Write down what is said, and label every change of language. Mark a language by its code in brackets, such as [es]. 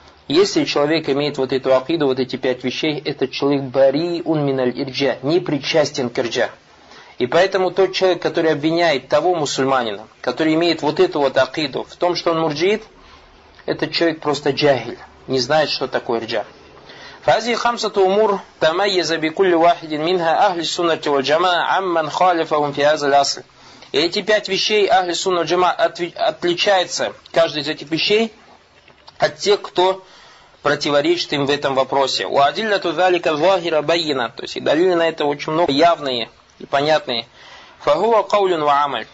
[ru] Если человек имеет вот эту акиду, вот эти пять вещей, этот человек бари ун миналь ирджа, не причастен к ирджа. И поэтому тот человек, который обвиняет того мусульманина, который имеет вот эту вот акиду в том, что он мурджиит, этот человек просто джахиль, не знает, что такое ирджа. [ar] فهذه خمسة أمور تميز بكل واحد منها أهل السنة والجماعة عمن خالفهم في هذا الأصل. [ru] Эти пять вещей أهل السنة والجماعة отличается каждый из этих вещей от тех, кто противоречит им в этом вопросе. [ar] وأدلة ذلك ظاهرة بينة. [ru] То есть и дали на это очень много явные и понятные. [ar] فهو قول وعمل.